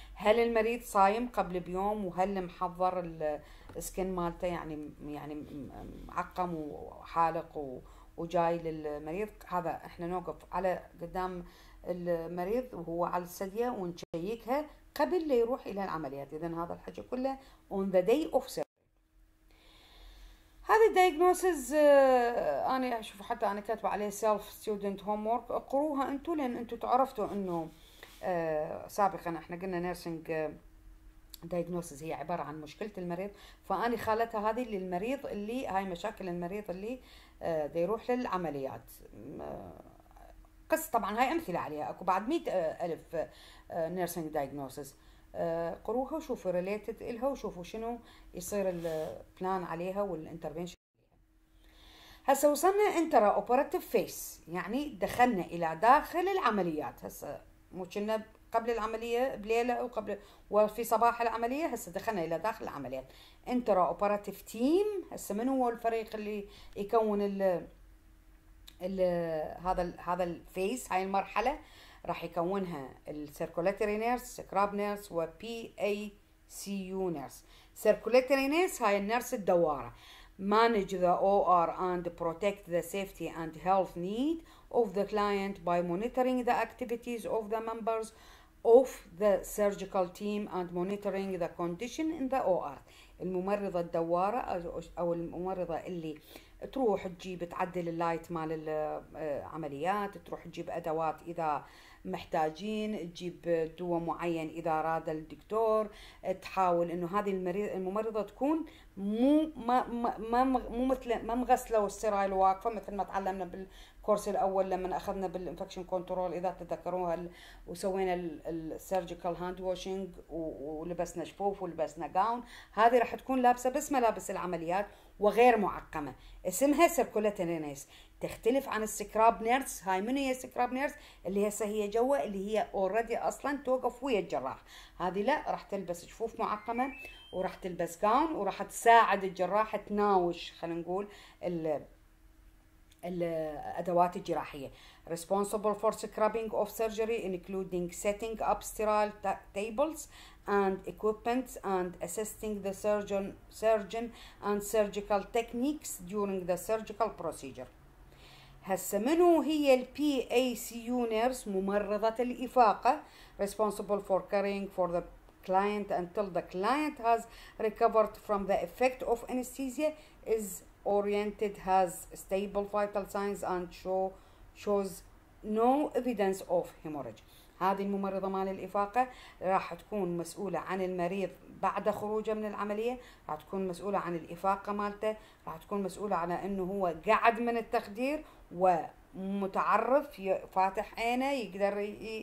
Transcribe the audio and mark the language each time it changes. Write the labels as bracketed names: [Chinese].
[Arabic] هل المريض صايم قبل بيوم وهل محضر السكن مالته يعني معقم وحالق وجاي للمريض. هذا احنا نوقف على قدام المريض وهو على السدية ونشيكها قبل ليروح إلى العمليات. إذن هذا الحاجة كله [English] on the day of surgery. [Arabic] هذا الدياجنوسز أنا أشوف حتى أنا كاتب عليه [English] self student homework [Arabic] قروها أنتوا لأن أنتوا تعرفتوا أنه سابقا إحنا قلنا nursing diagnosis هي عبارة عن مشكلة المريض فأنا خالتها هذه للمريض اللي هاي مشاكل المريض اللي يروح للعمليات. بس طبعا هاي أمثلة عليها اكو بعد 100,000 نيرسينج دايجنوسيس قروها وشوفوا ريليتد الها وشوفوا شنو يصير البلان عليها والانترفينشن عليها. هسا وصلنا انت ترى اوبراتيف فيس، يعني دخلنا الى داخل العمليات. هسا مو كنا قبل العمليه بليله وقبل وفي صباح العمليه، هسا دخلنا الى داخل العمليات. انت ترى اوبراتيف تيم، هسا من هو الفريق اللي يكون الـ هذا الـ هذا الفيس، هاي المرحله راح يكونها السيركوليتوري نيرس، سكراب نيرس، وبي اي سي يو نيرس. سيركوليتوري نيرس هاي النيرس الدواره، [English] manage the OR and protect the safety and health need of the client by monitoring the activities of the members of the surgical team and monitoring the condition in the OR. [Arabic] الممرضة الدوارة أو الممرضة اللي تروح تجيب تعدل اللايت مال العمليات، تروح تجيب أدوات إذا محتاجين، تجيب دواء معين إذا أراد الدكتور، تحاول إنه هذه المريض الممرضة تكون مو ما ما مو مثل ما مغسلة والسرايل واقفة مثل ما تعلمنا بالكورس الأول لما أخذنا بالإنفكشن كنترول إذا تذكروها، وسوينا السيرجيكال هاند واشنج ولبسنا شفوف ولبسنا جاون. هذه راح تكون لابسة بس ملابس العمليات وغير معقمة، اسمها سيركوليتوري نيرس. تختلف عن السكراب نيرس، هاي من هي السكراب نيرس اللي هسه هي جوا اللي هي اوريدي اصلا توقف ويا الجراح، هذه لا راح تلبس شفوف معقمة وراح تلبس جاون وراح تساعد الجراح تناوش خلينا نقول الادوات الجراحيه. [English] responsible for scrubbing of surgery including setting up sterile tables and equipment and assisting the surgeon and surgical techniques during the surgical procedure. [Arabic] هسه منو هي البي اي سي يو نيرس؟ ممرضه الافاقه. [English] responsible for caring for the client until the client has recovered from the effect of anesthesia is oriented has stable vital signs and shows no evidence of hemorrhage. [Arabic] هذه الممرضة مال الإفاقة راح تكون مسؤولة عن المريض بعد خروجه من العملية، راح تكون مسؤولة عن الإفاقة مالته، راح تكون مسؤولة على انه هو قعد من التخدير ومتعرف فاتح عينه يقدر